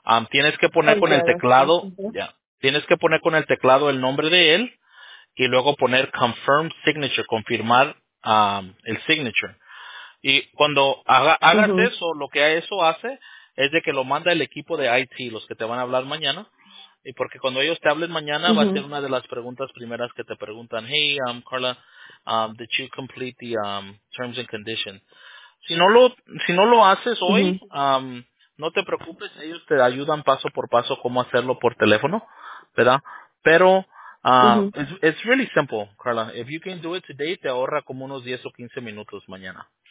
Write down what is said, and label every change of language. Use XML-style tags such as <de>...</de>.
<es>Tienes que poner con el teclado, tienes que poner con el teclado el nombre de él y luego poner confirm signature, confirmar el signature. Y cuando hagas eso, lo que eso hace es de que lo manda el equipo de IT, los que te van a hablar mañana. Y porque cuando ellos te hablen mañana, va a ser una de las preguntas primeras que te preguntan.</es> <en>Hey, Carla, did you complete the terms and conditions?</en> <es>Si no lo haces hoy, no te preocupes, ellos te ayudan paso por paso cómo hacerlo por teléfono, ¿verdad? Pero</es> <en>it's really simple, Carla. If you can do it today,</en> <es>te ahorra como unos 10 o 15 minutos mañana.</es>